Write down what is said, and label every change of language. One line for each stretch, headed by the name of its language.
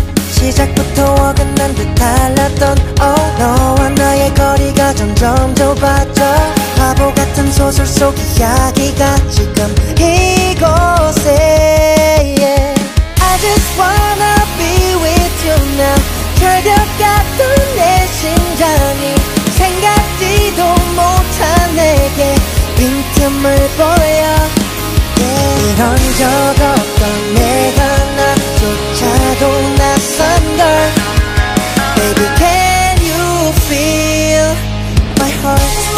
Korean: 시작부터 어긋난 듯 달랐던 너와 나의 거리가 점점 좁아져. 바보 같은 소설 속 이야기가 지금 이곳에. Yeah.
English: I just wanna be with you now.
Korean: 절벽 같은 내 심장이 생각지도 못한 내게 빈틈을 보여. 이런 적 없던 내가 나조차도 낯선 걸.
English: Baby, can you feel my heart?